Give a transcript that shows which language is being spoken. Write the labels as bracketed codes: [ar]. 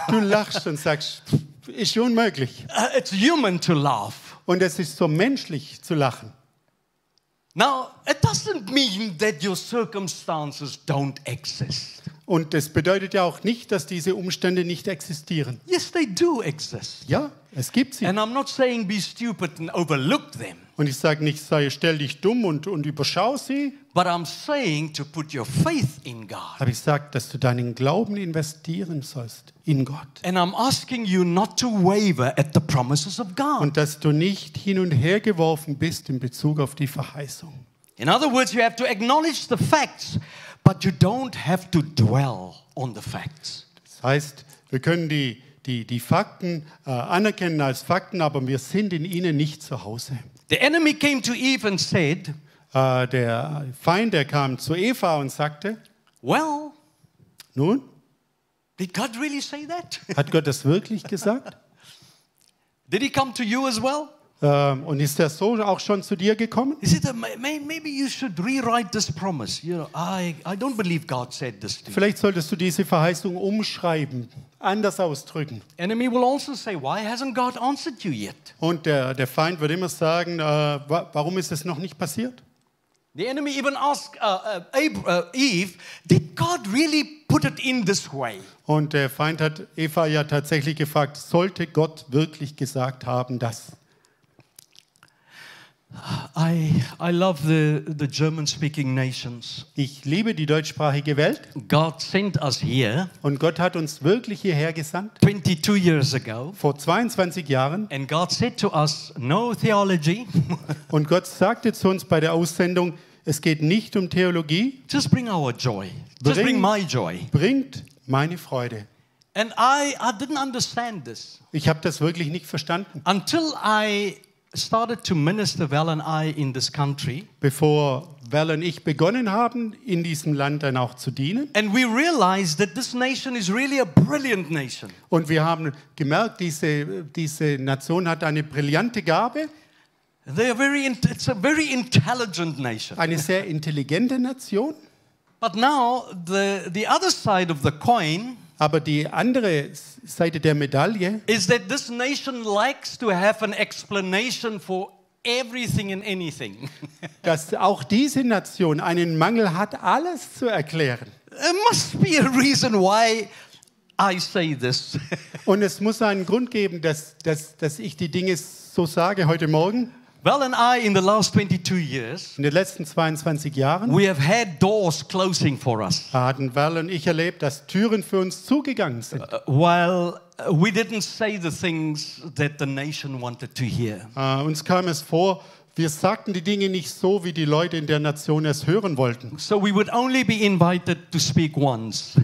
[de] Du lachst und sagst, ist unmöglich. [en] It's human to laugh. [de] Und es ist so menschlich zu lachen. [en] Now, it doesn't mean that your circumstances don't exist. [de] Und es bedeutet ja auch nicht, dass diese Umstände nicht existieren. [en] Yes, they do exist. [de] Ja, es gibt sie. [en] And I'm not saying be stupid and overlook them. [de] Und ich sage nicht, sei stell dich dumm und überschau sie. [en] But I'm saying to put your faith in God. [de] Aber ich sage, dass du deinen Glauben investieren sollst in Gott. [en] And I'm asking you not to waver at the promises of God. [de] Und dass du nicht hin und her geworfen bist in Bezug auf die Verheißung. [en] In other words, you have to acknowledge the facts. But you don't have to dwell on the facts. [de] Das heißt, wir können die Fakten anerkennen als Fakten, aber wir sind in ihnen nicht zu Hause. [en] The enemy came to Eve and said, [de] der Feind, der kam zu Eva und sagte, [en] well, [de] nun, [en] did God really say that? [de] Hat Gott das wirklich gesagt? [en] Did he come to you as well? [de] Und ist der Sohn auch schon zu dir gekommen? [en] Maybe you should rewrite this promise. You know, I don't believe God said this to you. [de] Vielleicht solltest du diese Verheißung umschreiben, anders ausdrücken. [en] Enemy will also say, why hasn't God answered you yet? [de] Und der Feind wird immer sagen, warum ist es noch nicht passiert? [en] The enemy even asked Eve, did God really put it in this way? [de] Und der Feind hat Eva ja tatsächlich gefragt, sollte Gott wirklich gesagt haben, dass [en] I love the German speaking nations. [de] Ich liebe die deutschsprachige Welt. [en] God sent us here. [de] Und Gott hat uns wirklich hierher gesandt. [en] 22 years ago. [de] Vor 22 Jahren. [en] And God said to us, no theology. [de] Und Gott sagte zu uns bei der Aussendung, es geht nicht um Theologie. [en] Just bring our joy. Just bring my joy. [de] Bringt meine Freude. [en] And I didn't understand this. [de] Ich habe das wirklich nicht verstanden. [en] Until I started to minister Val and I in this country. [de] Bevor Val und ich begonnen haben, in diesem Land dann auch zu dienen. [en] And we realized that this nation is really a brilliant nation. [de] Und wir haben gemerkt, diese Nation hat eine brillante Gabe. [en] They are it's a very intelligent nation. [de] Eine sehr intelligente Nation. [en] But now the other side of the coin. [de] Aber die andere Seite der Medaille [en] is that this nation likes to have an explanation for everything and anything. [de] Dass auch diese Nation einen Mangel hat, alles zu erklären. [en] There must be a reason why I say this. [de] Und es muss einen Grund geben, dass ich die Dinge so sage heute Morgen. [en] Well, and I in the last 22 years, [de] in den letzten 22 Jahren, [en] we have had doors closing for us. [de] Hatten Val und ich erlebt, dass Türen für uns zugegangen sind. [en] While we didn't say the things that the nation wanted to hear. [de] Uns kam es vor, wir sagten die Dinge nicht so, wie die Leute in der Nation es hören wollten. [en] So we would only be invited to speak once.